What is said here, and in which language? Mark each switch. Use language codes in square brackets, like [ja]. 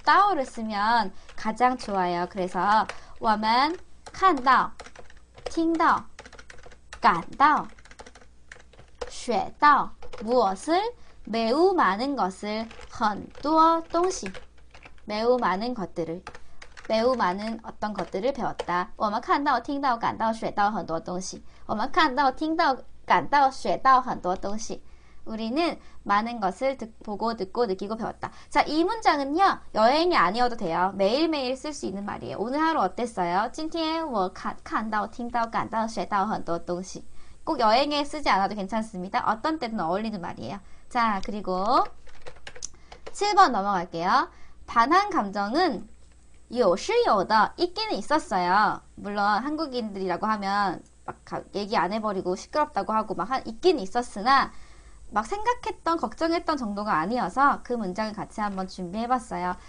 [ko] 따오를 쓰면 가장 좋아요. 그래서 워만, 칸다오, 팅다오, 간다오, 쉐다오, 무엇을? 매우 많은 것을, 헌뚜어, 똥시, 매우 많은 것들을, 매우 많은 어떤 것들을 배웠다. [zh] 我们看到,听到,感到,学到很多东西. 我们看到,听到,感到,学到很多东西. [ko] 우리는 많은 것을 보고 듣고 느끼고 배웠다. 자, 이 문장은요. 여행이 아니어도 돼요. 매일매일 쓸 수 있는 말이에요. 오늘 하루 어땠어요? [zh] 今天我看到听到感到学到很多东西. [ko] 꼭 여행에 쓰지 않아도 괜찮습니다. 어떤 때든 어울리는 말이에요. 자, 그리고 7번 넘어갈게요. 반한 감정은 [zh] 有是有的. [ko] 있기는 있었어요. 물론 한국인들이라고 하면 막 얘기 안 해버리고 시끄럽다고 하고 막 있기는 있었으나 막 생각했던, 걱정했던 정도가 아니어서 그 문장을 같이 한번 준비해봤어요.